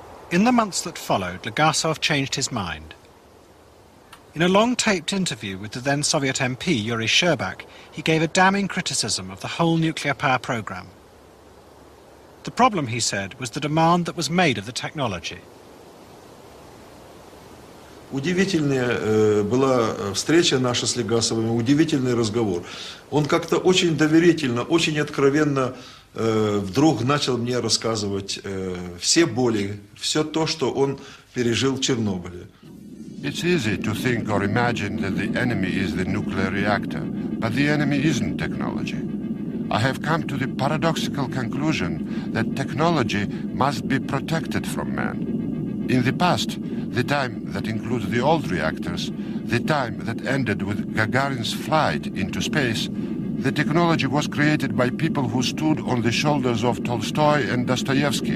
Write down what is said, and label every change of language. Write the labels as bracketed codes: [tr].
[en] In the months that followed, Legasov changed his mind. In a long-taped interview with the then-Soviet MP, Yuri Sherbak, he gave a damning criticism of the whole nuclear power program. The problem, he said, was the demand that was made of the technology. [ru] Удивительная была встреча наша с Легасовым, удивительный разговор. Он как-то очень доверительно, очень откровенно вдруг начал мне рассказывать все боли, все то, что он пережил в Чернобыле. [en] It's easy to think or imagine that the enemy is the nuclear reactor, but the enemy isn't technology. I have come to the paradoxical conclusion that technology must be protected from man. In the past, the time that includes the old reactors, the time that ended with Gagarin's flight into space, the technology was created by people who stood on the shoulders of Tolstoy and Dostoevsky.